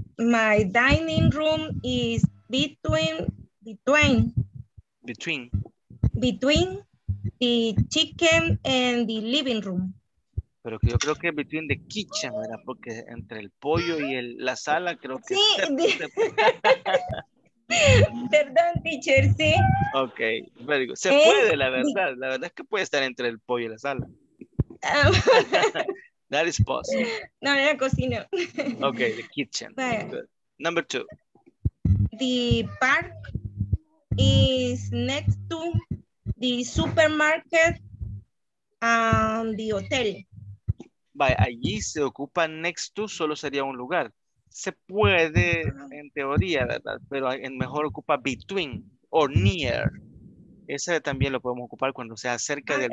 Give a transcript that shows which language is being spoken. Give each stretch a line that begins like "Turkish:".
English: My dining room is between the chicken and the living room.
Spanish: Pero que yo creo que
English: between the kitchen,
Spanish: ¿verdad? Porque entre el pollo y el, la sala creo que... Sí. Perdón, teacher, sí. Ok, pero digo, se puede, la verdad. La verdad es que puede estar entre el pollo y la sala.
English: That is possible.
Spanish: No, era cocina.
English: Ok, the kitchen. Number two. The park is next to the supermarket and the hotel.
Spanish: Vaya, allí se ocupa next to, solo sería un lugar. Se puede, en teoría, ¿verdad? Pero mejor ocupa between o near. Esa también lo podemos ocupar cuando sea cerca del